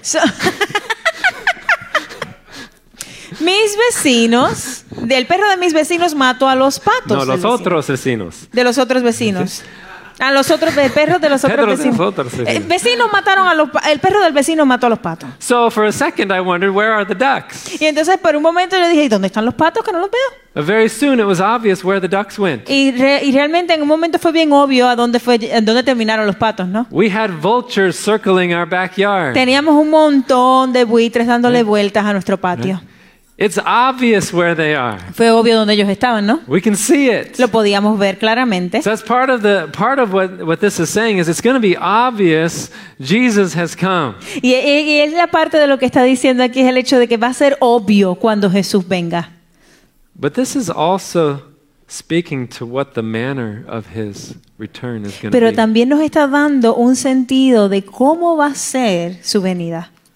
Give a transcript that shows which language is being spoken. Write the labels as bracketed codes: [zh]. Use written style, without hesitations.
[es] So, mis vecinos, del perro de mis vecinos mató a los patos. No, los vecino. Otros vecinos. De los otros vecinos. A los otros del perro de los otros vecinos. Vecinos mataron a los el perro del vecino mató a los patos. [en] So for a second I wondered where are the ducks. [es] Y entonces por un momento yo dije, ¿dónde están los patos que no los veo? [en] Very soon it was obvious where the ducks went. [es] Y realmente en un momento fue bien obvio a dónde fue dónde terminaron los patos, ¿no? [en] We had vultures circling our backyard. [es] Teníamos un montón de buitres dándole vueltas a nuestro patio. [en] It's obvious where they are. [es] Fue obvio donde ellos estaban, ¿no? [en] We can see it. [es] Lo podíamos ver claramente. [en] So that's part of what this is saying is it's going to be obvious Jesus has come. [es] Y es la parte de lo que está diciendo aquí es el hecho de que va a ser obvio cuando Jesús venga. [en] But this is also speaking to what the manner of his return is going to be. [es] Pero también nos está dando un sentido de cómo va a ser su venida.